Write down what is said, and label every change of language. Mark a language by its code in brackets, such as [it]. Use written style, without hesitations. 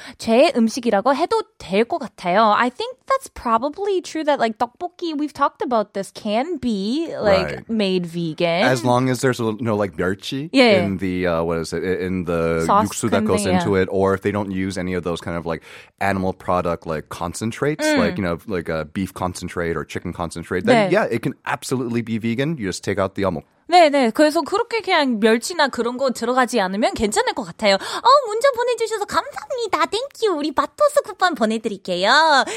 [ko] 죄의 음식이라고 해도 될 것 같아요. [en] I think that's probably true that like 떡볶이, we've talked about this, can be like made vegan. As long as there's like 멸치in the, what is it, in the yuksu that goes into it, or if they don't use any of those kind of like animal product like concentrates, like, you know, like a beef concentrate or chicken concentrate, then it can absolutely be vegan. You just take out the 어묵. [ko] 네네. 그래서 그렇게 그냥 멸치나 그런 거 들어가지 않으면 괜찮을 것 같아요. 문자 보내주셔서 감사합니다. [en] Thank you. [ko] 우리 마토스 쿠폰 보내드릴게요.